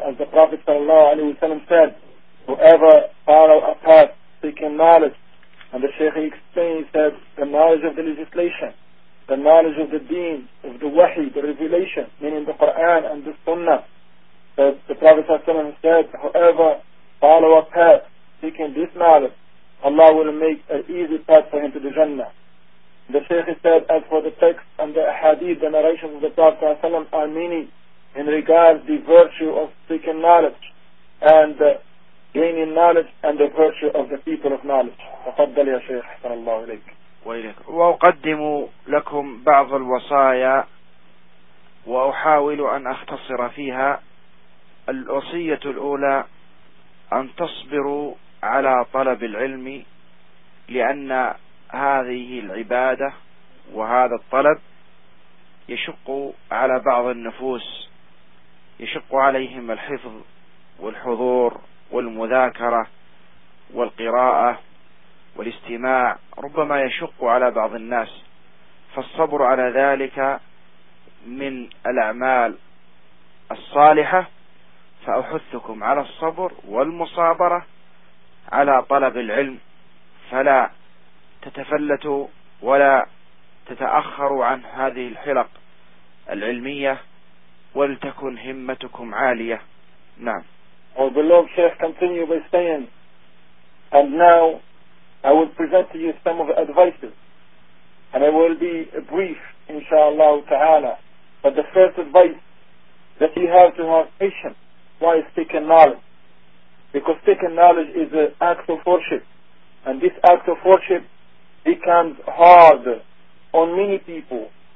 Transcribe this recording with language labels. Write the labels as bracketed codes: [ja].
[en] As the Prophet sallallahu alaihi wasallam said, whoever follow a path seeking knowledge, and the Shaykh explains that the knowledge of the legislation, the knowledge of the deen, of the wahi, the revelation, meaning the Quran and the Sunnah, that the Prophet said, whoever follow a path seeking this knowledge, Allah will make an easy path for him to the Jannah. The Shaykh said, as for the text and the hadith, the narrations of the Prophet are many in regard to the virtue of seeking knowledge and gaining knowledge and the virtue of the people of knowledge. [ar] تفضل يا شيخ صلى الله عليك وإليك. وأقدم لكم بعض الوصايا وأحاول أن أختصر فيها. الوصية الأولى أن تصبروا على طلب العلم، لأن هذه العبادة وهذا الطلب يشق على بعض النفوس، يشق عليهم الحفظ والحضور والمذاكرة والقراءة والاستماع، ربما يشق على بعض الناس، فالصبر على ذلك من الأعمال الصالحة، فأحثكم على الصبر والمصابرة على طلب العلم، فلا تتفلتوا ولا تتأخروا عن هذه الحلق العلمية، ولتكن همتكم عالية. نعم. [en] Our beloved Shaykh continue by saying, and now I will present to you some of the advices, and I will be brief inshallah ta'ala. But the first advice, that you have to have patience. Why seeking knowledge? Because seeking knowledge is an act of worship, and this act of worship becomes hard on many people.